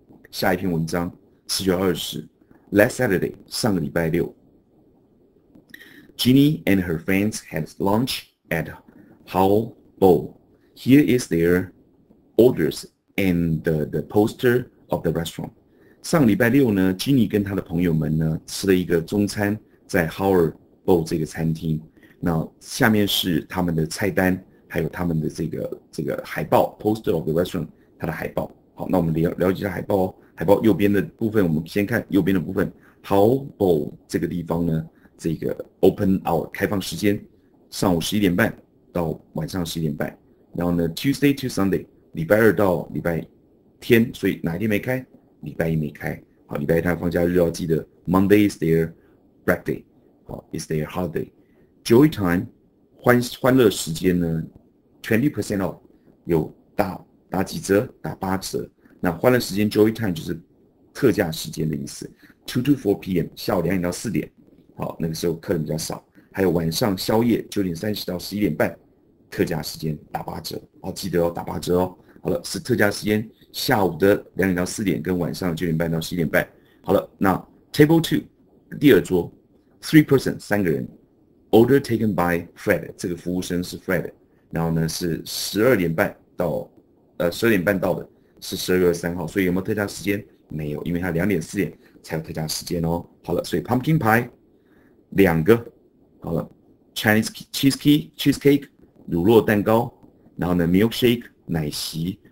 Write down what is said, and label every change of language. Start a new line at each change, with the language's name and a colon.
Chinese: 下一篇文章4月20日，
English: last Saturday
Chinese: 上个礼拜六，
English: Ginny and her friends had lunch at Howl Bowl. Here is their orders and the poster of the restaurant.
Chinese: 上礼拜六呢，基尼跟他的朋友们呢吃了一个中餐，在 Howl Bowl 这个餐厅。那下面是他们的菜单，还有他们的这个海报
English: poster of the restaurant
Chinese: 它的海报。好，那我们了解一下海报哦。海报右边的部分，我们先看右边的部分。 Howl Bowl 这个地方呢，这个 open hour 开放时间，上午11点半到晚上11点半。然后呢，
English: Tuesday to Sunday
Chinese: 礼拜二到礼拜天，所以哪一天没开？礼拜一没开。好，礼拜一他放假日要记得
English: Monday is their break day，
Chinese: 好，
English: is their holiday。
Chinese: Joy time 欢乐时间呢，20% off 有打几折？打8折。那欢乐时间 Joy time 就是特价时间的意思。
English: 2 to 4 p.m.
Chinese: 下午2点到4点，好，那个时候客人比较少。还有晚上宵夜9点30到11点半，特价时间打8折。好，记得哦，打8折哦。好了，是特价时间，下午的2点到4点跟晚上9点半到11点半。好了，那
English: Table Two
Chinese: 第二桌，
English: Three person
Chinese: 三个人。
English: Order taken by Fred，
Chinese: 这个服务生是 Fred。然后呢是12点半到的，是12月3号。所以有没有特价时间？没有，因为它2点4点才有特价时间哦。好了，所以 Pumpkin Pie 两个，好了，Chinese cheesecake 乳酪蛋糕，然后呢 Milkshake 奶昔。